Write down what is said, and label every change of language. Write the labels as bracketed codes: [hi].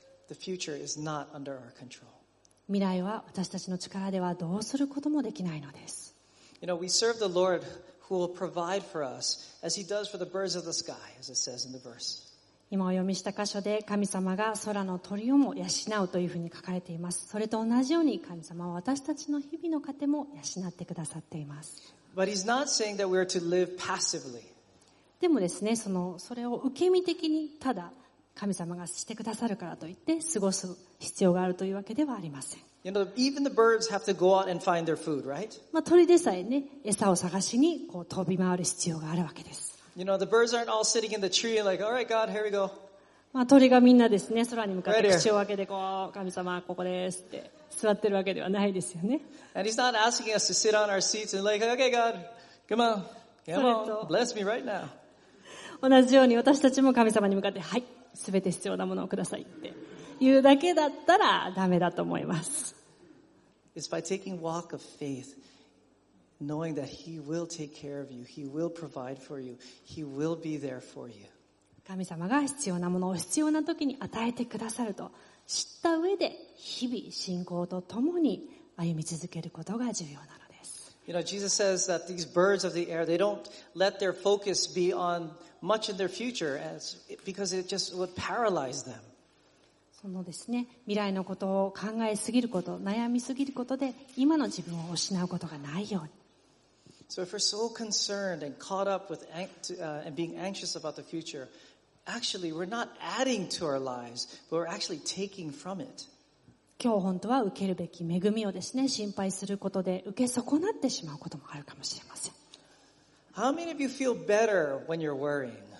[en] The future is not under our control. [ja] 未来は私たちの力ではどうすることもできないのです。 [en] You know, we serve the Lord. Who will provide for us as he does for the birds of the sky, as it says in the verse. [ja] 今お読みした箇所で神様が空の鳥をも養うというふうに書かれています。それと同じように神様は私たちの日々の糧も養ってくださっています。 [en] But he's not saying that we are to live passively. [ja] でもですね、それを受け身的にただ神様がしてくださるからといって過ごす必要があるというわけではありません。 [en] You know, even the birds have to go out and find their food, right? [ja] まあ、鳥でさえね、餌を探しにこう飛び回る必要があるわけです。 [en] You know, the birds aren't all sitting in the tree like, all right, God, here we go. [ja] まあ、鳥がみんなですね、空に向かって口を開けてこう、神様ここですって座ってるわけではないですよね。 [en] And he's not asking us to sit on our seats and like, okay, God, come on, come on, bless me right now. [ja] 同じように私たちも神様に向かって、はい、すべて必要なものをくださいって。言うだけだったらダメだと思います。 [en] It's by taking walk of faith, knowing that He will take care of you, He will provide for you, He will be there for you. [ja] 神様が必要なものを必要な時に与えてくださると知った上で日々信仰とともに歩み続けることが重要なのです。 [en] You know, Jesus says that these birds of the air, they don't let their focus be on much in their future, because it just would paralyze them. [ja] そのですね、未来のことを考えすぎること、悩みすぎることで今の自分を失うことがないように。 [en] So if we're so concerned and caught up with and being anxious about the future, actually we're not adding to our lives, but we're actually taking from it. [ja] 今日本当は受けるべき恵みをですね、心配することで受け損なってしまうこともあるかもしれません。 [en] How many of you feel better when you're worrying?